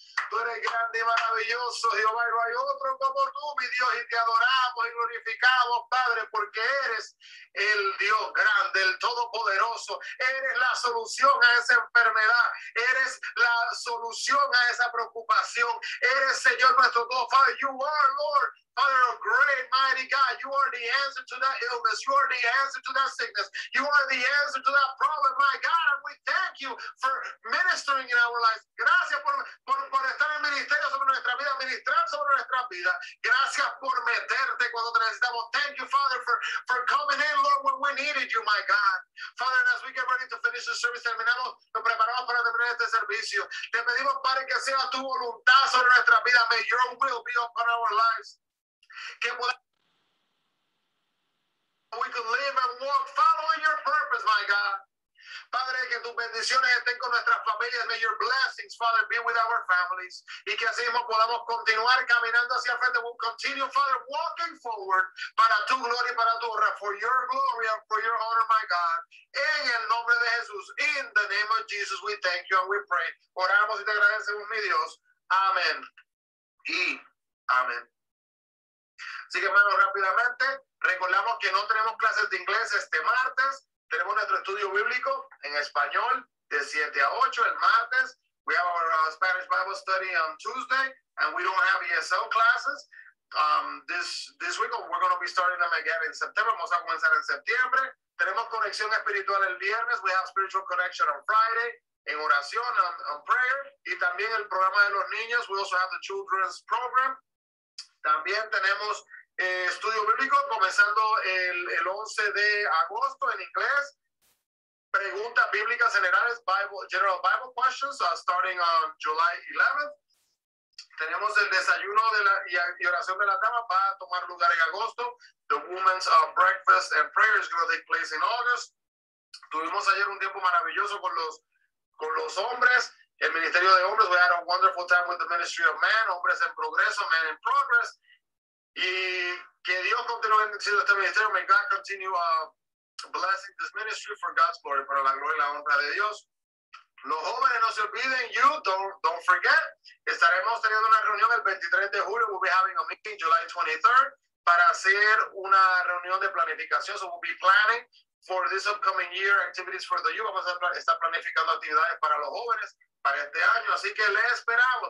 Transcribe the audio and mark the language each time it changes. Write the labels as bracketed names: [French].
[Spanish] Tú eres grande y maravilloso, Jehová, y no hay otro como tú, mi Dios, y te adoramos y glorificamos, Padre, porque eres el Dios grande, el Todopoderoso, eres la solución a esa enfermedad, eres la solución a esa preocupación, eres, Señor, nuestro Dios, Padre, [English] you are, Lord. Father, oh, great, mighty God, you are the answer to that illness. You are the answer to that sickness. You are the answer to that problem, my God. And we thank you for ministering in our lives. [Spanish] Gracias por estar en ministerio sobre nuestra vida, ministrar sobre nuestra vida. Gracias por meterte cuando te necesitamos. [English] Thank you, Father, for coming in, Lord, when we needed you, my God. Father, as we get ready to finish the service, [Spanish] terminamos, nos preparamos para terminar este servicio. Te pedimos, Padre, que sea tu voluntad sobre nuestra vida. [English] May your will be upon our lives. We can live and walk following your purpose, my God. [Spanish] Padre, que tus bendiciones estén con nuestras familias. [English] May your blessings, Father, be with our families. [Spanish] Y que así mismo podamos continuar caminando hacia el frente. [English] We'll continue, Father, walking forward [Spanish] para tu gloria y para tu honra. [English] For your glory and for your honor, my God. [Spanish] En el nombre de Jesús. [English] In the name of Jesus, we thank you and we pray. [Spanish] Oramos y te agradecemos, mi Dios. Amén. Y amén. Así que, hermanos, rápidamente, recordamos que no tenemos clases de inglés este martes. Tenemos nuestro estudio bíblico en español de 7 a 8 el martes. [English] We have our Spanish Bible study on Tuesday, and we don't have ESL classes. This week, we're going to be starting them again in September. [Spanish] Vamos a comenzar en septiembre. Tenemos conexión espiritual el viernes. [English] We have spiritual connection on Friday [Spanish] en oración, [English] on prayer. [Spanish] Y también el programa de los niños. [English] We also have the children's program. [Spanish] También tenemos estudio bíblico comenzando el 11 de agosto en inglés. Preguntas bíblicas generales, [English] General Bible Questions, starting on July 11th. [Spanish] Tenemos el desayuno y oración de la dama, va a tomar lugar en agosto. [English] The Women's Breakfast and Prayer is going to take place in August. [Spanish] Tuvimos ayer un tiempo maravilloso con los hombres. [English] El Ministerio de Hombres, we had a wonderful time with the Ministry of Men, Hombres en Progreso, Men in Progress. [Spanish] Y que Dios continúe bendiciendo este ministerio. [English] May God continue blessing this ministry for God's glory, [Spanish] para la gloria y la honra de Dios. Los jóvenes, no se olviden, [English] you don't forget. [Spanish] Estaremos teniendo una reunión el 23 de julio. [English] We'll be having a meeting July 23rd [Spanish] para hacer una reunión de planificación. [English] So we'll be planning for this upcoming year activities for the youth. [Spanish] Vamos a estar planificando actividades para los jóvenes para este año, así que le esperamos.